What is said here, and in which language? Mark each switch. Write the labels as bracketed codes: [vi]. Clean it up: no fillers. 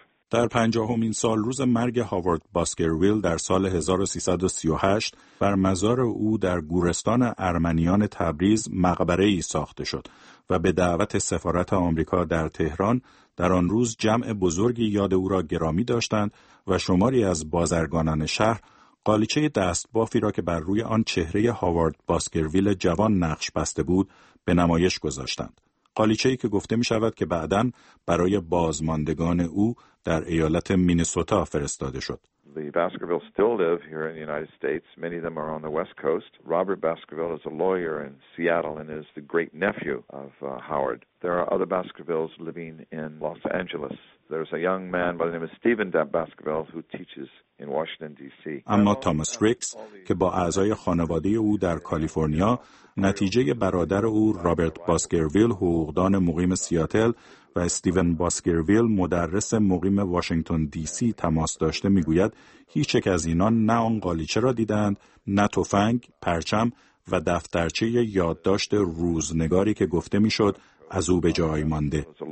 [fa] در 50th سال روز مرگ هاوارد باسکرویل در سال 1338 بر مزار او در گورستان ارمنیان تبریز مقبره ای ساخته شد و به دعوت سفارت آمریکا در تهران در آن روز جمع بزرگی یاد او را گرامی داشتند و شماری از بازرگانان شهر قالیچه دستبافی را که بر روی آن چهره هاوارد باسکرویل جوان نقش بسته بود به نمایش گذاشتند. قالیچه‌ای که گفته می شود که بعداً برای بازماندگان او در ایالت مینیسوتا فرستاده شد. [en] The Baskervilles still live here in the United States. Many of them are on the West Coast. Robert Baskerville is a lawyer in Seattle and is the great nephew of Howard. There are other Baskervilles living in Los Angeles. There's a young man by the name of Stephen Baskerville who teaches in Washington D.C. [fa] اما تامس ریکس که با اعضای خانواده او در کالیفرنیا، نتیجه برادر او رابرت باسکرویل حقوقدان مقیم سیاتل و استیون باسکرویل مدرس مقیم واشنگتن دی سی تماس داشته، میگوید هیچ یک از اینان نه آن قالیچه را دیدند، نه تفنگ، پرچم و دفترچه یادداشت روزنگاری که گفته میشد از او به جای مانده.